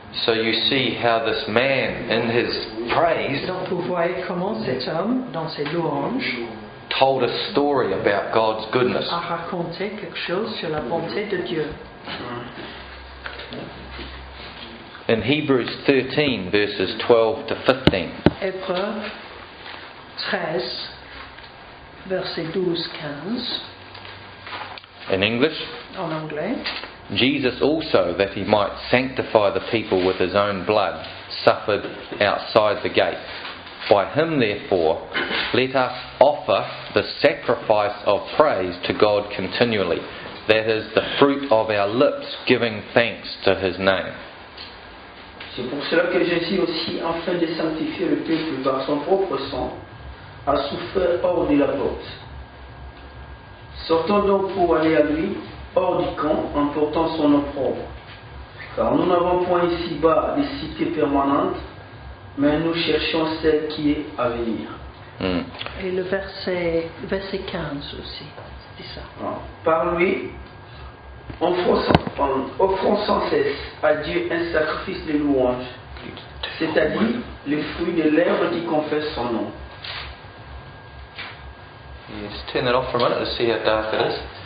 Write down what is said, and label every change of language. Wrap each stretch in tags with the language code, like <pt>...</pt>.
<en>So you see how this man in his praise,</en> <fr>donc vous voyez comment cet homme dans ses louanges,</fr> <en>told a story about God's goodness.</en> <fr>A raconté quelque chose sur la bonté de Dieu.</fr> <en>In Hebrews 13, verses 12 to 15.</en> <fr>Hébreux 13, verset 12-15.</fr> <en>In English.</en> <fr>En anglais.</fr> <en>Jesus also, that he might sanctify the people with his own blood, suffered outside the gate. By him, therefore, let us offer the sacrifice of praise to God continually. That is the fruit of our lips giving thanks to his name.</en> <fr>C'est pour cela que Jésus aussi, afin de sanctifier le peuple par son propre sang, a souffert hors de la porte. Sortons donc pour aller à lui, hors du camp, en portant son opprobre. Car nous n'avons point ici-bas des cités permanentes, mais nous cherchons celle qui est à venir. Et le verset 15 aussi, c'est ça. Par lui, offrons sans cesse à Dieu un sacrifice de louange, c'est-à-dire le fruit des lèvres qui confessent son nom.</fr> <en>Yes, turn that off for a minute, let's see how dark it is.</en>